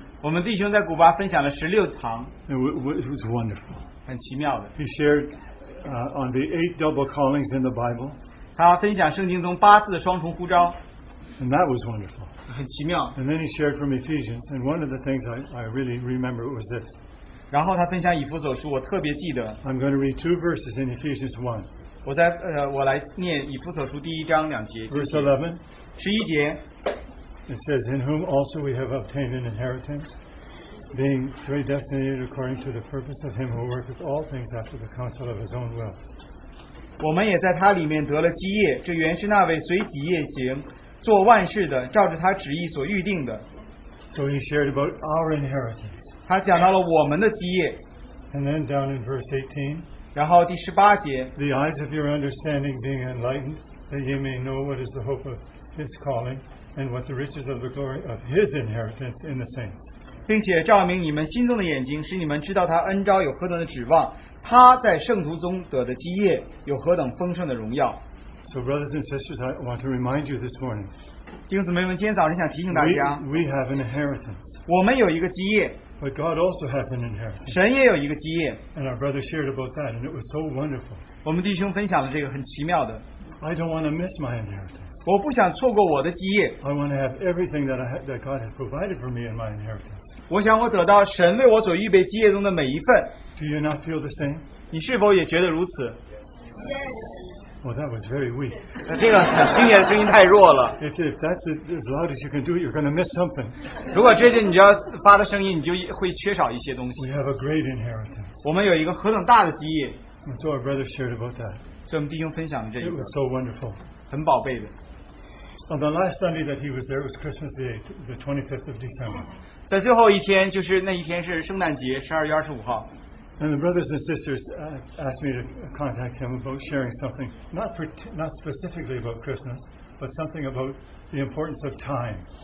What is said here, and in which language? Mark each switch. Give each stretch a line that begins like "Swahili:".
Chinese: 我们弟兄在古巴分享了16堂。
English: It was wonderful.
Chinese: 很奇妙的。
English: He shared. On the 8 double callings in the Bible.
Chinese: 他分享圣经中八次的双重呼召。
English: And that was wonderful.
Chinese: 很奇妙.
English: And then he shared from Ephesians, and one of the things I really remember was this.
Chinese: 然后他分享以弗所书,
English: I'm going to read two verses in Ephesians 1.
Chinese: 我来念以弗所书第一章两节,
English: verse 11.
Chinese: 十一节,
English: it says, In whom also we have obtained an inheritance, being predestinated according to the purpose of him who worketh all things after the counsel of his own will.
Chinese: 我们也在他里面得了基业, 这原是那位随己业行, 做万事的,
English: So he shared about our inheritance.
Chinese: 他讲到了我们的基业,
English: and then down in verse 18,
Chinese: 然后第18节,
English: The eyes of your understanding being enlightened, that ye may know what is the hope of his calling, and what the riches of the glory of his inheritance in the saints.
Chinese: 并且照明你们心中的眼睛, 使你们知道他恩召有何等的指望, 他在圣徒中得的基业有何等丰盛的荣耀。
English: So brothers and sisters, I want to remind you this morning.
Chinese: 弟兄姊妹们,今天早上想提醒大家,
English: we have an inheritance.
Chinese: 我们有一个基业,
English: but God also has an inheritance.
Chinese: 神也有一个基业,
English: and our brother shared about that, and it was so wonderful.
Chinese: 我们弟兄分享了这个很奇妙的,
English: I don't want to miss my inheritance.
Chinese: 我不想错过我的基业,
English: I want to have everything that, that God has provided for me in my inheritance.
Chinese: 我想我得到神为我所预备基业中的每一份。
English: Do you not feel the same?
Chinese: 你是否也觉得如此?
English: Well, that was very weak.
Chinese: 这个今天的声音太弱了。
English: If that's as loud as you can do, you're going to miss something.
Chinese: 如果这些你要发的声音, 你就会缺少一些东西。
English: We have a great inheritance.
Chinese: 我们有一个何等大的基业。
English: And so our brother shared about that.
Chinese: 所以我们弟兄分享了这一个。
English: It was so wonderful.
Chinese: 很宝贝的。
English: On the last Sunday that he was there, it was Christmas Day, the 25th of December.
Chinese: 在最后一天, 就是那一天是圣诞节, 12月25号。
English: And the brothers and sisters asked me to contact him about sharing something, not specifically about Christmas, but something about the importance of time.